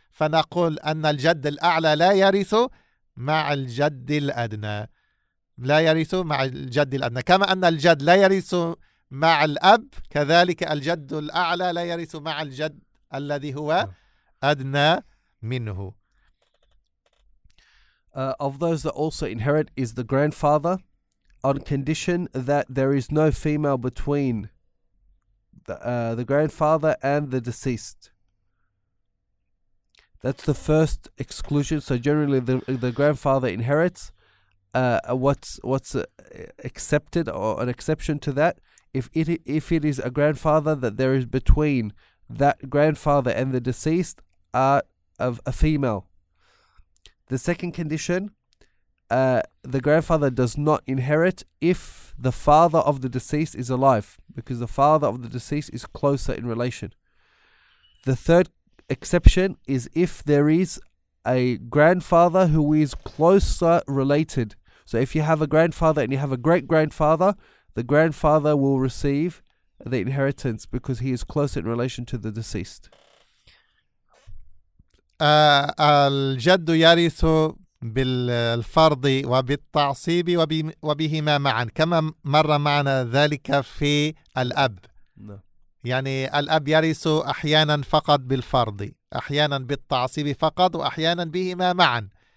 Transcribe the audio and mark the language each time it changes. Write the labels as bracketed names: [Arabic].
[Arabic] فنقول أن الجد الأعلى لا يرث مع الجد الأدنى، لا يرث مع الجد الأدنى، كما أن الجد لا يرث مع الأب كذلك الجد الأعلى لا يرث مع الجد الذي هو أدنى منه. [English] Of those that also inherit is the grandfather, on condition that there is no female between the grandfather and the deceased. That's the first exclusion. So generally, the grandfather inherits. What's accepted or an exception to that? If it is a grandfather that there is between that grandfather and the deceased are of a female. The second condition, the grandfather does not inherit if the father of the deceased is alive, because the father of the deceased is closer in relation. The third exception is if there is a grandfather who is closer related. So if you have a grandfather and you have a great-grandfather, the grandfather will receive the inheritance because he is closer in relation to the deceased. [Arabic] الجد يرث بالفرض وبالتعصيب وبهما معا، كما مر معنا ذلك في الأب. يعني الأب يرث أحيانا فقط بالفرض، أحيانا بالتعصيب فقط، وأحيانا بهما معا.